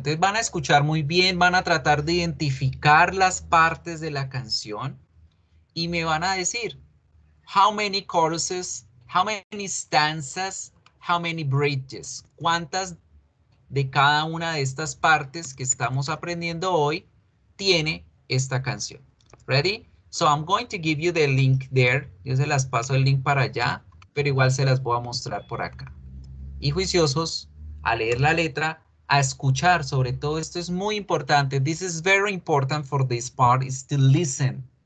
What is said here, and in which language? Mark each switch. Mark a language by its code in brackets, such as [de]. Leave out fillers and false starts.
[es] Entonces van a escuchar muy bien, van a tratar de identificar las partes de la canción y me van a decir [en] how many choruses, how many stanzas, how many bridges. [es] ¿Cuántas de cada una de estas partes que estamos aprendiendo hoy tiene esta canción? [en] Ready? So I'm going to give you the link there. [es] Yo se las paso el link para allá, pero igual se las voy a mostrar por acá. Y juiciosos, a leer la letra, a escuchar, sobre todo esto es muy importante. [en] This is very important for this part, is to listen.